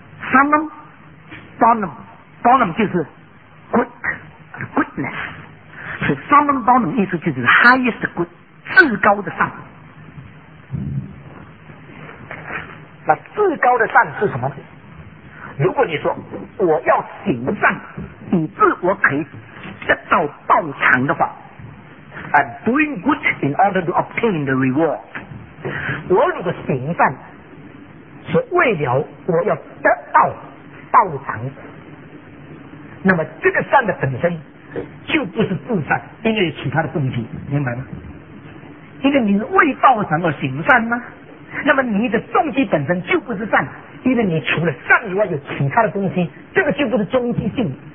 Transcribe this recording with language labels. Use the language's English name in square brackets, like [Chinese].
[Chinese] Summum, bonum, bonum 就是 goodness， 所以 summum bonum 意思就是 [English] highest good， [Chinese] 至高的善。那至高的善是什么？如果你说我要行善，以致我可以得到报偿的话。 [English] I'm doing good in order to obtain the reward. [Chinese] 我如果行善，是为了我要得到报偿，那么这个善的本身就不是自善，因为有其他的动机，明白吗？因为你是为报偿而行善吗？那么你的动机本身就不是善，因为你除了善以外有其他的东西，这个就不是终极性。